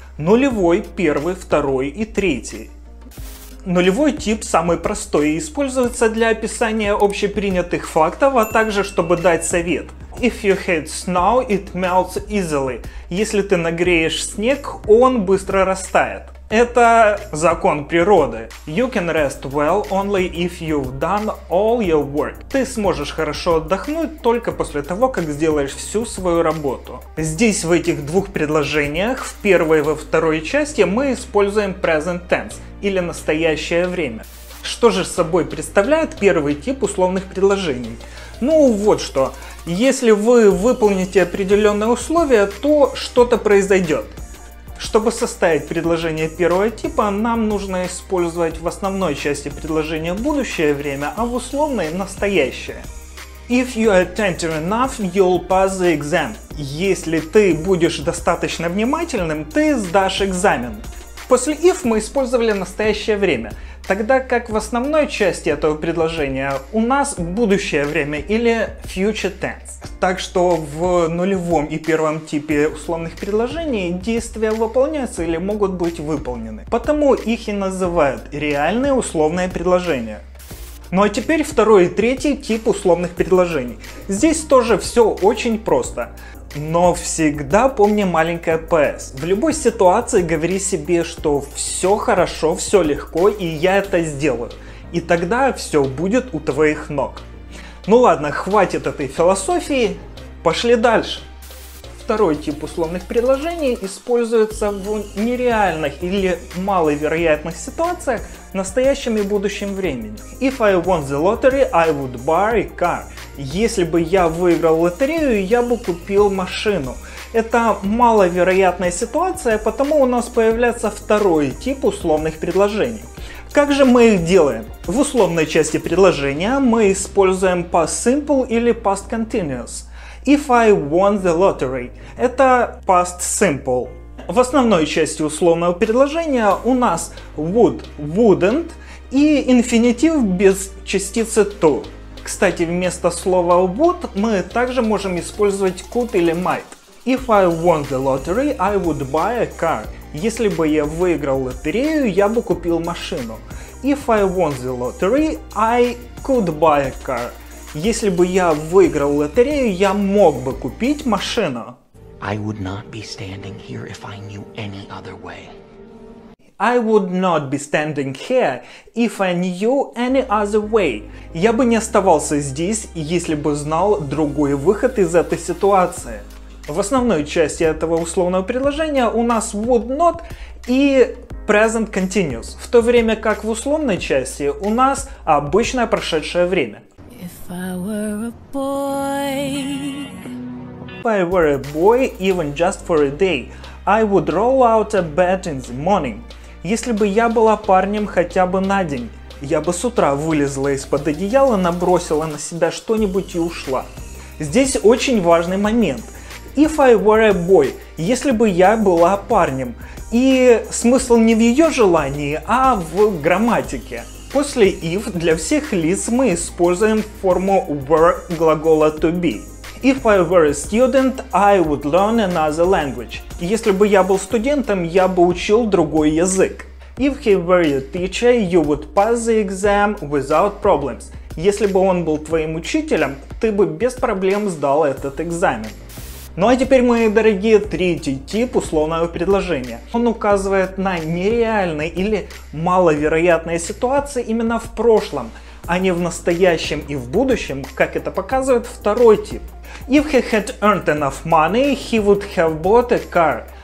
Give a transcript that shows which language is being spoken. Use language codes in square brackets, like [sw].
[ru] Нулевой, первый, второй и третий. Нулевой тип самый простой и используется для описания общепринятых фактов, а также чтобы дать совет. [en] If you hit snow, it melts easily. [ru] Если ты нагреешь снег, он быстро растает. Это закон природы. [en] You can rest well only if you've done all your work. [ru] Ты сможешь хорошо отдохнуть только после того, как сделаешь всю свою работу. Здесь в этих двух предложениях, в первой и во второй части, мы используем present tense или настоящее время. Что же собой представляет первый тип условных предложений? Ну вот что, если вы выполните определенные условия, то что-то произойдет. Чтобы составить предложение первого типа, нам нужно использовать в основной части предложения будущее время, а в условной – настоящее. [en] If you attentive enough, you'll pass the exam. [ru] Если ты будешь достаточно внимательным, ты сдашь экзамен. После if мы использовали настоящее время, тогда как в основной части этого предложения у нас будущее время или future tense. Так что в нулевом и первом типе условных предложений действия выполняются или могут быть выполнены. Потому их и называют реальные условные предложения. Ну а теперь второй и третий тип условных предложений. Здесь тоже все очень просто. Но всегда помни маленькое PS. В любой ситуации говори себе, что все хорошо, все легко, и я это сделаю. И тогда все будет у твоих ног. Ну ладно, хватит этой философии, пошли дальше. Второй тип условных предложений используется в нереальных или маловероятных ситуациях в настоящем и будущем времени. [en] If I won the lottery, I would buy a car. [ru] Если бы я выиграл лотерею, я бы купил машину. Это маловероятная ситуация, потому у нас появляется второй тип условных предложений. Как же мы их делаем? В условной части предложения мы используем past simple или past continuous. [en] If I won the lottery, [ru] это [en] past simple. [ru] В основной части условного предложения у нас would, wouldn't и инфинитив без частицы to. Кстати, вместо слова would мы также можем использовать could или might. [en] If I won the lottery, I would buy a car. [ru] Если бы я выиграл лотерею, я бы купил машину. [en] If I won the lottery, I could buy a car. [ru] Если бы я выиграл лотерею, я мог бы купить машину. [en] I would not be standing here if I knew any other way. I would not be standing here if I knew any other way. [ru] Я бы не оставался здесь, если бы знал другой выход из этой ситуации. В основной части этого условного предложения у нас would not и present continuous, в то время как в условной части у нас обычное прошедшее время. [en] If I were a boy, if I were a boy even just for a day, I would roll out a bed in the morning. [ru] Если бы я была парнем хотя бы на день, я бы с утра вылезла из-под одеяла, набросила на себя что-нибудь и ушла. Здесь очень важный момент. [en] If I were a boy, [ru] если бы я была парнем. И смысл не в ее желании, а в грамматике. После if для всех лиц мы используем форму were глагола to be. [en] If I were a student, I would learn another language. [ru] Если бы я был студентом, я бы учил другой язык. [en] If he were your teacher, you would pass the exam without problems. [ru] Если бы он был твоим учителем, ты бы без проблем сдал этот экзамен. Ну а теперь, мои дорогие, третий тип условного предложения. Он указывает на нереальные или маловероятные ситуации именно в прошлом, а не в настоящем и в будущем, как это показывает второй тип. [en] If he had earned enough money, he would have bought a car.